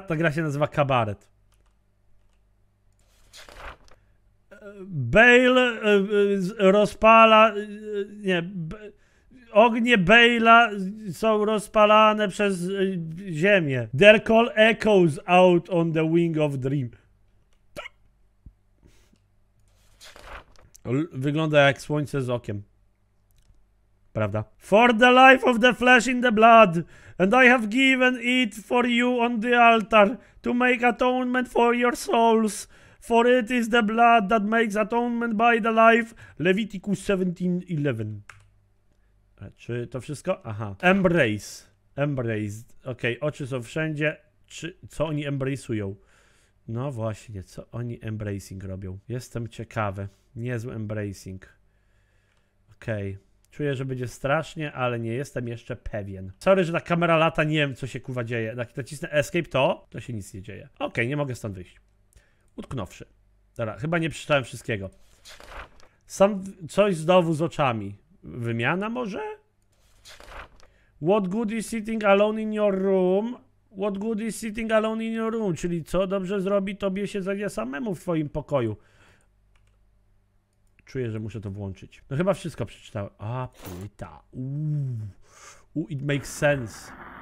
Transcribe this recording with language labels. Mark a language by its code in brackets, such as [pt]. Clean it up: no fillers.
[pl] Ta gra się nazywa Kabaret. Bale rozpala. Nie. Ognie Bale'a są rozpalane przez ziemię. [en] Their call echoes out on the wing of dream. [pl] Wygląda jak słońce z okiem. Prawda? [en] For the life of the flesh in the blood, and I have given it for you on the altar, to make atonement for your souls. For it is the blood that makes atonement by the life. [pl] Leviticus 17:11. Czy to wszystko? Aha. [en] Embrace. Embrace. [pl] Okej, okay. Oczy są wszędzie. Czy, co oni embrace'ują? No właśnie, co oni embracing robią? Jestem ciekawy. Niezły embracing. Okej. Okay. Czuję, że będzie strasznie, ale nie jestem jeszcze pewien. Sorry, że ta kamera lata, nie wiem, co się kurwa dzieje. Jak nacisnę escape, to się nic nie dzieje. Okej, nie mogę stąd wyjść. Utknąwszy. Dobra, chyba nie przeczytałem wszystkiego. Sam coś znowu z oczami. Wymiana może? [en] What good is sitting alone in your room? What good is sitting alone in your room? [pl] Czyli co dobrze zrobi tobie siedzenie samemu w twoim pokoju? Czuję, że muszę to włączyć. No chyba wszystko przeczytałem. A, płyta. [en] It makes sense.